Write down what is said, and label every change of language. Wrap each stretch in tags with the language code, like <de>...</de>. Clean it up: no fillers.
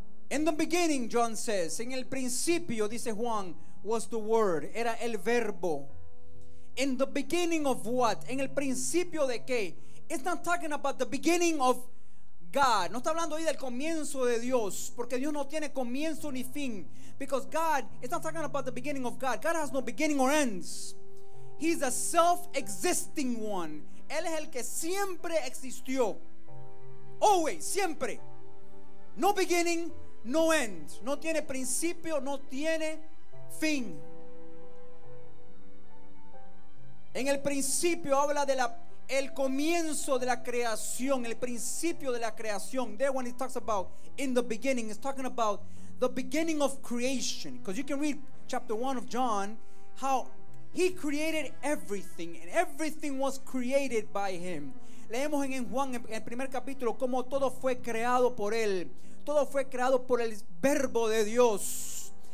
<en>In the beginning, John says,</en> <es>en el principio, dice Juan,</es> <en>was the word,</en> <es>era el verbo.</es> <en>In the beginning of what?</en> <es>En el principio de qué?</es> <en>It's not talking about the beginning of God.</en> <es>No está hablando ahí del comienzo de Dios, porque Dios no tiene comienzo ni fin.</es> <en>Because God, it's not talking about the beginning of God. God has no beginning or ends. He's a self-existing one.</en> <es>Él es el que siempre existió.</es> <en>Always,</en> <es>siempre.</es> <en>No beginning, no end.</en> <es>No tiene principio, no tiene fin. En el principio habla de la el comienzo de la creación, el principio de la creación.</es> <en>There when it talks about in the beginning, it's talking about the beginning of creation. Because you can read chapter 1 of John, how he created everything and everything was created by him.</en> <es>Leemos en Juan en el primer capítulo cómo todo fue creado por él. Todo fue creado por el verbo de Dios.</es>